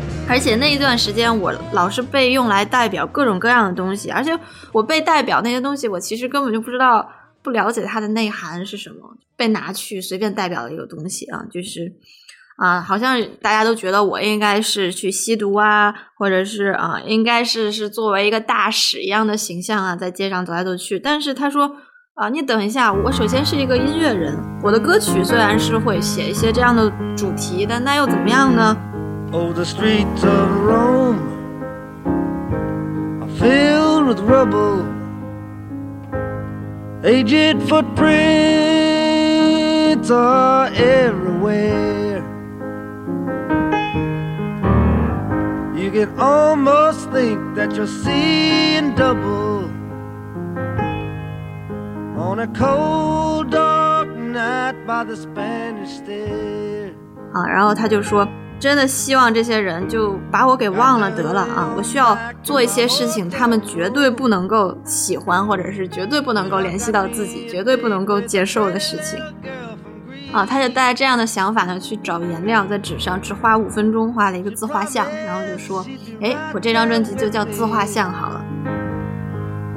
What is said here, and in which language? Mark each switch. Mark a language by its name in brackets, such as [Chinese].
[Chinese] 而且那一段时间我老是被用来代表各种各样的东西，而且我被代表那些东西我其实根本就不知道，不了解它的内涵是什么，被拿去随便代表了一个东西啊，就是啊，好像大家都觉得我应该是去吸毒啊，或者是啊，应该是作为一个大使一样的形象啊，在街上走来走去。但是他说啊，你等一下，我首先是一个音乐人，我的歌曲虽然是会写一些这样的主题，但那又怎么样呢？ [English] Oh, the streets of Rome are filled with rubble, aged footprints are everywhere. You can almost think that you're seeing double on a cold dark night by the Spanish stair. [Chinese] 然后他就说，真的希望这些人就把我给忘了得了啊！我需要做一些事情，他们绝对不能够喜欢，或者是绝对不能够联系到自己，绝对不能够接受的事情啊！他就带着这样的想法呢，去找颜料，在纸上只花五分钟画了一个自画像，然后就说：“哎，我这张专辑就叫自画像好了。”